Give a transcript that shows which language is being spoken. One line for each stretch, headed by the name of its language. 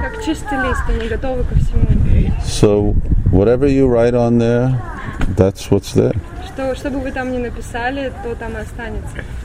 Russian: Как чистый лист, они готовы ко всему.
English: So whatever you write on there, that's what's there.
Russian: Что бы вы там ни написали, то там и останется.